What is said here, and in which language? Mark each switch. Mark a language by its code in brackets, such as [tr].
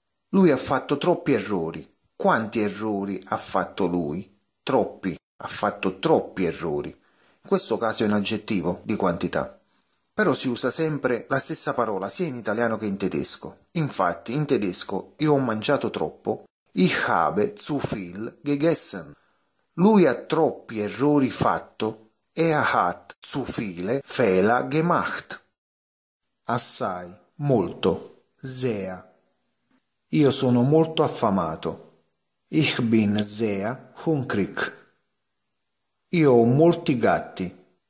[it] Lui ha fatto troppi errori. Quanti errori ha fatto lui? Troppi. Ha fatto troppi errori. In questo caso è un aggettivo di quantità. Però si usa sempre la stessa parola sia in italiano che in tedesco. Infatti, in tedesco, io ho mangiato troppo. [de] Ich habe zu viel gegessen. [it] Lui ha troppi errori fatto. [de] Er hat zu viele Fehler gemacht. [it] Assai, molto, sehr. Io sono molto affamato. [de] Ich bin sehr hungrig. [it] Io ho molti gatti.